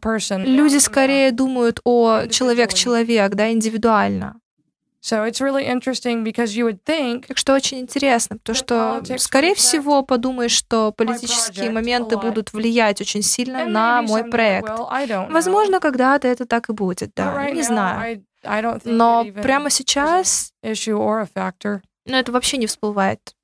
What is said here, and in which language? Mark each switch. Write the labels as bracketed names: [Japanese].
[Russian] Люди скорее думают о человек-человек, да, индивидуально. [English] So it's really interesting because you would think. [Russian] Так что очень интересно, потому что, скорее всего, подумаешь, что политические моменты будут влиять очень сильно на мой проект. Возможно, когда-то это так и будет, да, не знаю. Но прямо сейчас, ну, это вообще не всплывает.